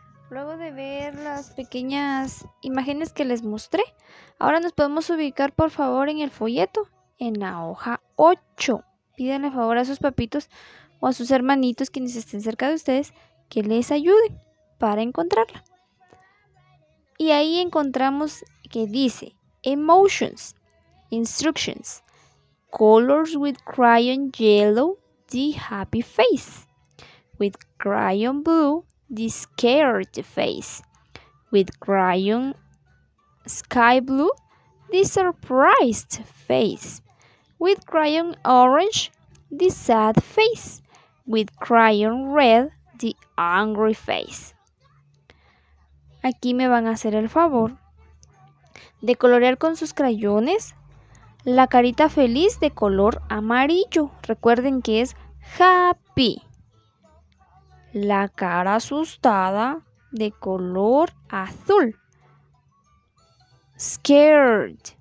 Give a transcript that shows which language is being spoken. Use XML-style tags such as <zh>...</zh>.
<es>Luego de ver las pequeñas imágenes que les mostré, ahora nos podemos ubicar por favor en el folleto, en la hoja 8. Pídenle favor a sus papitos o a sus hermanitos quienes estén cerca de ustedes que les ayuden para encontrarla. Y ahí encontramos que dice</es> <en>emotions, instructions, colors with crayon yellow, the happy face, with crayon blue, the scared face, with crayon sky blue, the surprised face, with crayon orange, the sad face, with crayon red, the angry face.</en> <es>Aquí me van a hacer el favor de colorear con sus crayones la carita feliz de color amarillo. Recuerden que es happy. La cara asustada de color azul. Scared.</es>